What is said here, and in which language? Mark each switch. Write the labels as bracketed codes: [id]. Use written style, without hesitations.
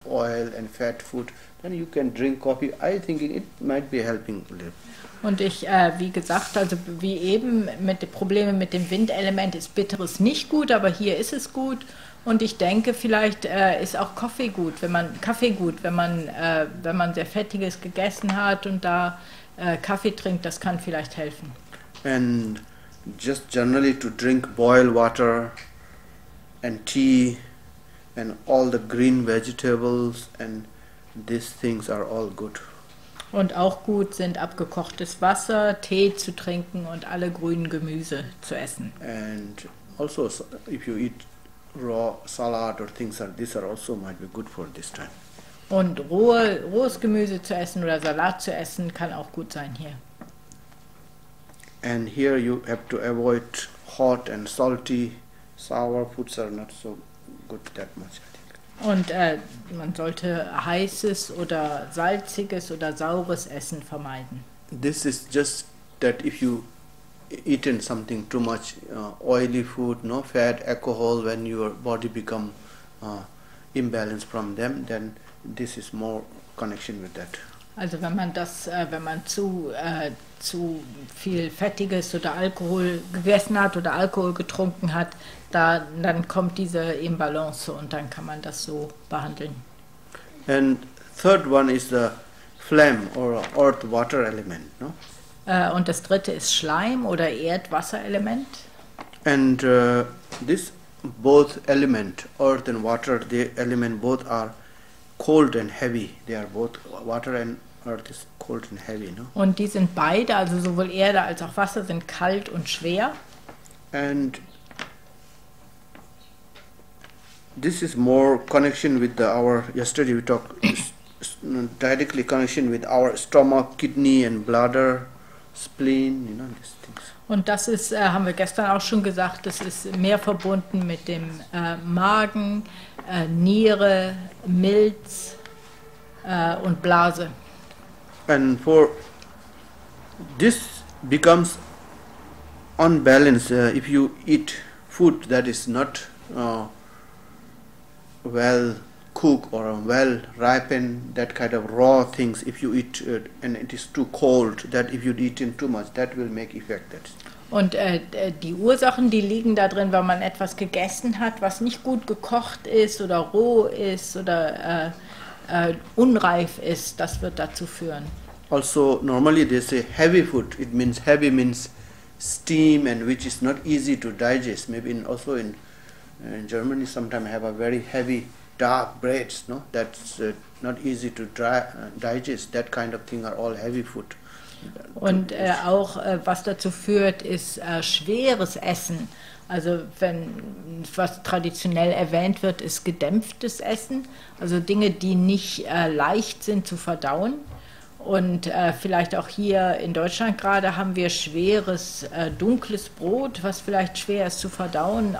[en] oil and fat food, then you can drink coffee. I think it might be helping a little. [de] Und ich, wie gesagt, also wie eben mit den Problemen mit dem Windelement ist Bitteres nicht gut, aber hier ist es gut. Und ich denke, vielleicht ist auch Kaffee gut, wenn man sehr Fettiges gegessen hat und da Kaffee trinkt, das kann vielleicht helfen. [en] And just generally to drink boiled water and tea and all the green vegetables and these things are all good. [de] Und auch gut sind abgekochtes Wasser, Tee zu trinken und alle grünen Gemüse zu essen. [en] And also if you eat raw salad or things like this are also might be good for this time. [de] Und rohes Gemüse zu essen oder Salat zu essen kann auch gut sein hier. [en] And here you have to avoid hot and salty, sour foods are not so good that much. [de] Und man sollte heißes oder salziges oder saures Essen vermeiden. [en] This is just that if you eaten something too much oily food, no fat, alcohol, when your body become imbalanced from them, then this is more connection with that. [de] Also wenn man das, wenn man zu viel Fettiges oder Alkohol gegessen hat oder Alkohol getrunken hat, dann kommt diese Imbalance und dann kann man das so behandeln. [en] And third one is the phlegm or earth water element, no? [de] Und das dritte ist Schleim oder Erdwasserelement. [en] And this both element, earth and water, the element both are cold and heavy. They are both water and earth is cold and heavy, no? [de] Und die sind beide, also sowohl Erde als auch Wasser, sind kalt und schwer. [en] And this is more connection with the our yesterday we talked directly connection with our stomach, kidney and bladder, spleen, you know, these things. [de] Und das ist, haben wir gestern auch schon gesagt, das ist mehr verbunden mit dem Magen, Niere, Milz und Blase. [en] And for this becomes unbalanced if you eat food that is not well cooked or well ripened, that kind of raw things, if you eat it and it is too cold, that if you eat in too much, that will make effect that. [de] Und die Ursachen, die liegen da drin, wenn man etwas gegessen hat, was nicht gut gekocht ist oder roh ist oder unreif ist, das wird dazu führen. [en] Also normally they say heavy food, it means heavy means steam and which is not easy to digest. Maybe in Germany sometimes have a very heavy dark breads, no? That's not easy to digest, that kind of thing are all heavy food. [de] Und auch was dazu führt, ist schweres Essen. Also wenn was traditionell erwähnt wird, ist gedämpftes Essen. Also Dinge, die nicht leicht sind zu verdauen. Und vielleicht auch hier in Deutschland gerade haben wir schweres dunkles Brot, was vielleicht schwer ist zu verdauen.